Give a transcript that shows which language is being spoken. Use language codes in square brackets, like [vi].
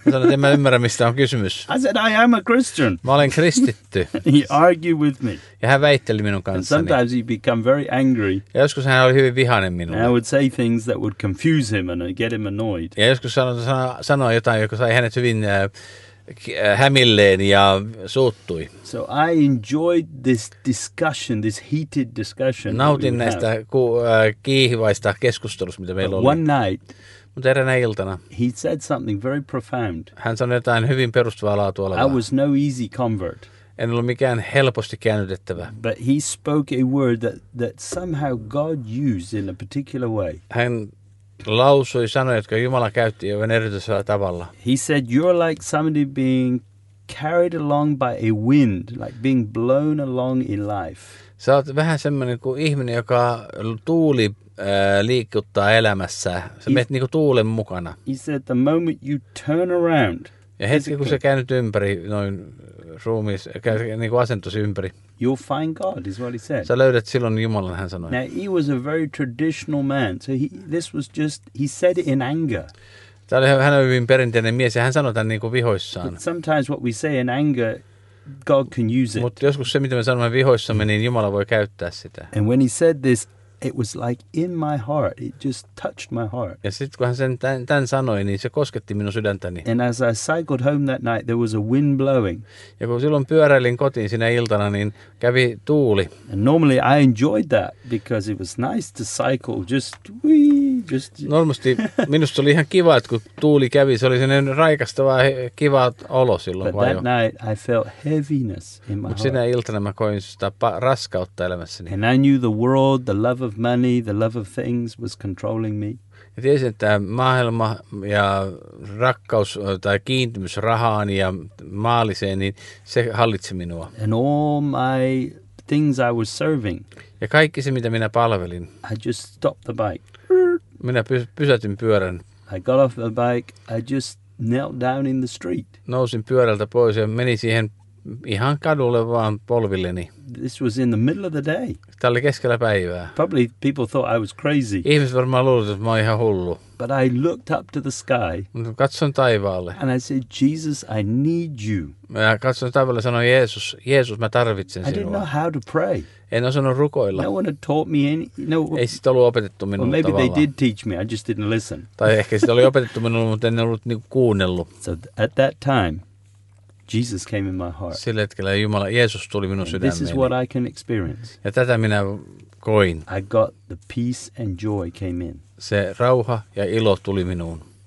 [fi] Sanoin, että en mä ymmärrä, mistä on kysymys. [en] I said, I am a Christian. [fi] Mä olen kristitty. [en] He argued with me. [fi] Ja hän väitteli minun kanssani. [en] And sometimes he'd become very angry. [fi] Ja joskus hän oli hyvin vihainen minulle. [en] I would say things that would confuse him and get him annoyed. [fi] Ja joskus sanoi jotain, joka sai hänet hyvin hämilleen ja suuttui. [en] So I enjoyed this discussion, this heated discussion. [fi] Nautin näistä kiihivaista keskustelusta, mitä meillä [en] But [fi] oli. [en] One night, [fi] mutta eräänä iltana. [en] He said something very profound. [fi] Hän sanoi jotain hyvin perustavaa laatua olevaa. [en] I was no easy convert. [fi] En ollut mikään helposti käännytettävä. [en] But he spoke a word that somehow God used in a particular way. [fi] Hän lausui sanoja, jotka Jumala käytti jovan erityisellä tavalla. [en] He said you're like somebody being carried along by a wind, like being blown along in life. [fi] Sä oot vähän semmoinen kuin ihminen, joka tuuli liikuttaa elämässä. Sä menet niinku tuulen mukana. [en] He said the moment you turn around. [fi] Ja hetki, kun sä käännyt ympäri noin ruumis, niin kuin asentosi ympäri. [en] You'll find God, is what he said. [fi] Sä löydät silloin Jumalan, hän sanoi. [en] Now, he was a very traditional man, so he said it in anger. [fi] Tämä oli hän hyvin perinteinen mies, ja hän sanoi tämän niin kuin vihoissaan. [en] But sometimes what we say in anger, God can use it. [fi] Mutta joskus se, mitä me sanomme vihoissamme, niin Jumala voi käyttää sitä. [en] And when he said this, it was like in my heart, it just touched my heart. [fi] Ja sitten kun hän sen tämän sanoi, niin se kosketti minun sydäntäni. [en] And as I cycled home that night, there was a wind blowing. [fi] Ja kun silloin pyöräilin kotiin sinä iltana, niin kävi tuuli. [en] And normally I enjoyed that, because it was nice to cycle, just. [fi] Normaalisti minusta oli ihan kiva, että kun tuuli kävi, se oli sellainen raikastava, kiva olo silloin. [en] But that night I felt heaviness in my heart. [fi] Mutta sinä iltana mä koin sitä raskautta elämässäni. [en] And I knew the world, the love of money, the love of things was controlling me. [fi] Ja tiesin, että maailma ja rakkaus tai kiintymys rahaan ja maalliseen, niin se hallitsi minua. [en] And all my things I was serving. [fi] Ja kaikki se, mitä minä palvelin. [en] I just stopped the bike. [fi] Minä pysäytin pyörän. [en] I got off the bike. I just knelt down in the street. [fi] Nousin pyörältä pois ja menin siihen ihan kadulle vaan polvilleni. [en] This was in the middle of the day. [fi] Tämä oli keskellä päivää. [en] Probably people thought I was crazy. [fi] Ihmiset varmaan luulivat, että mä olen ihan hullu. [en] But I looked up to the sky. [fi] Katson taivaalle. [en] And I said, Jesus, I need you. [fi] Mä katson taivaalle ja sanoin, Jeesus, Jeesus, mä tarvitsen sinua. [en] I didn't know how to pray. [fi] En osannut rukoilla. [en] No one had taught me any. No, [fi] ei sitä ollut opetettu minulle tavallaan. [en] Well, maybe they did teach me, I just didn't listen. [fi] Tai ehkä sitä oli opetettu minulle, mutta en ollut niinku kuunnellut. [en] So at that time, Jesus came in my heart. [fi] Sillä hetkellä Jumala, Jeesus tuli minun sydämeeni. [en] This is what I can experience. [fi] Ja tätä minä koin. [en] I got the peace and joy came in. [fi] Se rauha ja ilo tuli minuun.